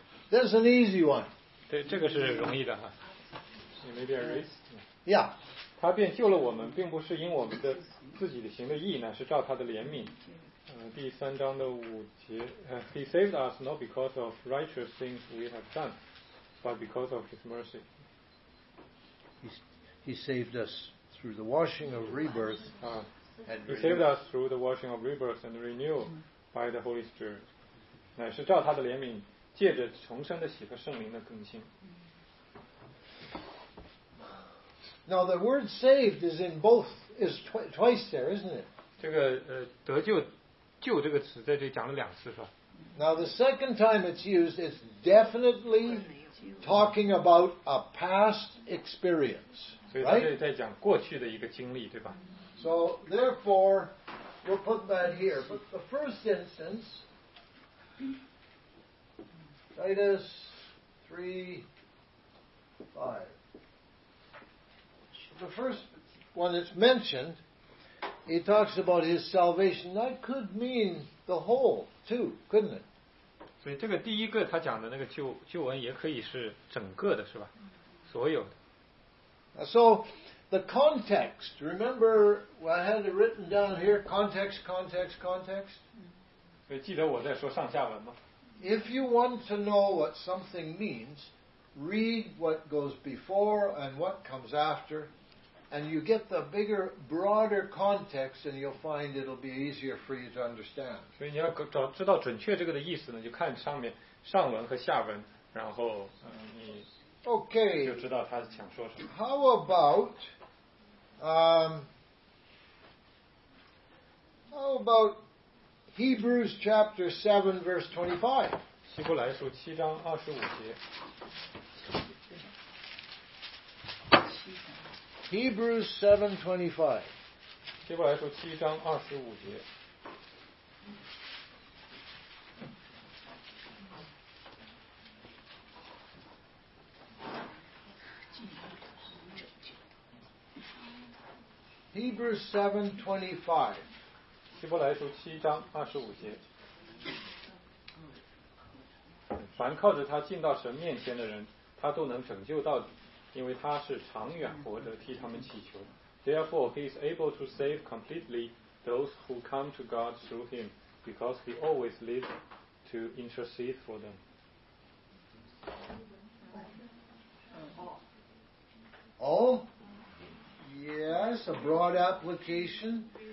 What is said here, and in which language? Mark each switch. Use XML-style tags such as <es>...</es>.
<en>This is an easy one.</en> <zh>对，这个是容易的哈。</zh> <en>You may be a race. Yeah.</en> <zh>他便救了我们，并不是因我们的自己的行的义，乃是照他的怜悯。第三章的五节，</zh> <en>He saved us not because of righteous things we have done, but because of His mercy. He saved us through the washing of rebirth. He saved us through the washing of rebirth and renewal by the Holy Spirit.</en> <zh>乃是照他的怜悯，借着重生的喜和圣灵的更新。</zh> <en>Now the word saved is in both is twice there, isn't it?</en> <zh>这个得救救这个词在这讲了两次是吧？</zh> <en>Now the second time it's used is definitely talking about a past experience.</en> <zh>所以他这里在讲过去的一个经历，对吧？</zh> <en>So therefore we'll put that here. But the first instance, Titus 3:5. The first one that's mentioned, he talks about his salvation. That could mean the whole too, couldn't it?</en> <zh>所以这个第一个他讲的那个救恩也可以是整个的，是吧？所有的。</zh> <en>So the context. Remember, I had it written down here. Context, context, context.</en> <zh>所以记得我在说上下文吗？</zh> <en>If you want to know what something means, read what goes before and what comes after. And you get the bigger, broader context, and you'll find it'll be easier for you to understand.</en> <zh>所以你要找知道准确这个的意思呢，就看上面上文和下文，然后你就知道他想说什么。</zh> <en>Okay. How about, how about Hebrews chapter 7, verse 25?</en> <zh>希伯来书七章二十五节。</zh> <en>Hebrews 7:25.</en> <zh>希伯来书七章二十五节。</zh> <en>Hebrews 7:25.</en> <zh>希伯来书七章二十五节。凡靠着他进到神面前的人，他都能拯救到底。因为他是长远活着替他们祈求的。</zh> <en>Therefore, he is able to save completely those who come to God through him, because he always lives to intercede for them. Oh, yes, a broad application.</en>